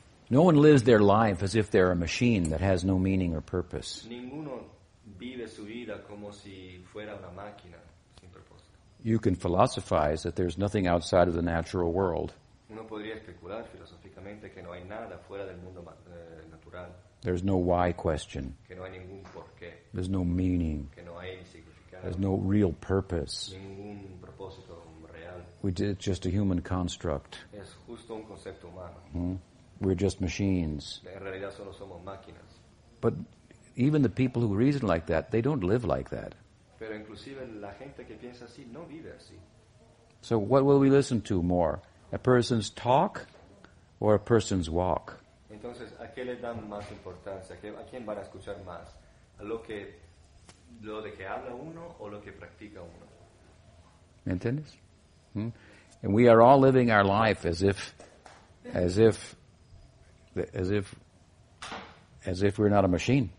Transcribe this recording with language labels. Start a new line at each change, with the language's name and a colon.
English: No one lives their life as if they're a machine that has no meaning or purpose.
Spanish: Ninguno vive su vida como si fuera una máquina sin propósito.
English: You can philosophize that there's nothing outside of the natural world.
Spanish: Uno podría especular filosóficamente que no hay nada fuera del mundo natural.
English: There's no why question.
Spanish: Que no hay ningún porqué.
English: There's no meaning.
Spanish: Que no hay significado.
English: There's no real purpose.
Spanish: Ningún propósito real.
English: It's just a human construct.
Spanish: Es justo un concepto humano.
English: We're just machines.
Spanish: En realidad solo somos máquinas.
English: But even the people who reason like that, they don't live like that.
Spanish: Pero inclusive la gente que piensa así no vive así.
English: So what will we listen to more? A person's talk or a person's walk?
Spanish: Entonces, ¿a qué le dan más importancia? ¿A quién van a escuchar más? ¿A lo de que habla uno o lo que practica uno? ¿Me entiendes?
English: And we are all living our life as if we're not a machine.